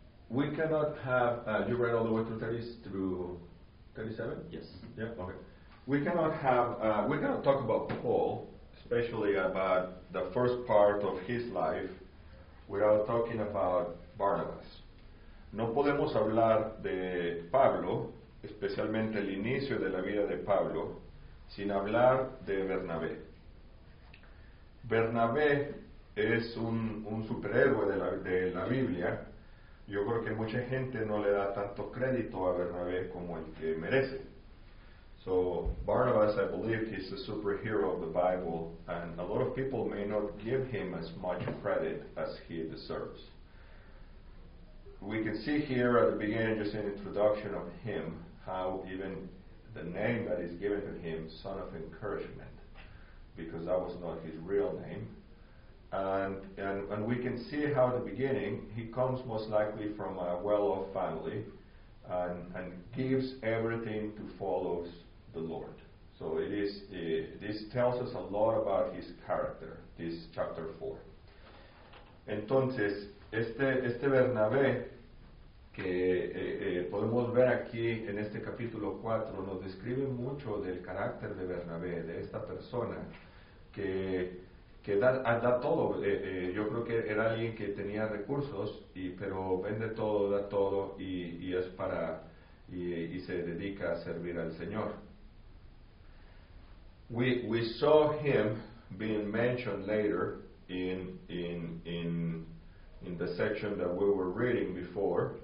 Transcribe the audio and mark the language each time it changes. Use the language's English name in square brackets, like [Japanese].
[English] We cannot have, you read all the way through 30 through 37? Yes. Yeah, okay. We cannot talk about Paul, especially about the first part of his life, without talking about Barnabas. [Spanish] No podemos hablar de Pablo, especialmente el inicio de la vida de Pablo, sin hablar de Bernabé. Bernabé es un superhéroe de la Biblia. Yo creo que mucha gente no le da tanto crédito a Bernabé como el que merece. [English] So, Barnabas, I believe he's the superhero of the Bible, and a lot of people may not give him as much credit as he deserves. We can see here at the beginning, just an introduction of him, how even the name that is given to him, Son of Encouragement, because that was not his real name. And we can see how at the beginning he comes most likely from a well-off family and gives everything to follow the Lord. So it is this tells us a lot about his character, this chapter 4. [Spanish] Entonces, este Bernabé que podemos ver aquí en este capítulo 4 nos describe mucho del carácter de Bernabé, de esta persona que da todo. Yo creo que era alguien que tenía recursos, pero vende todo, da todo, y se dedica a servir al Señor. [English] We saw him being mentioned later in the section that we were reading before.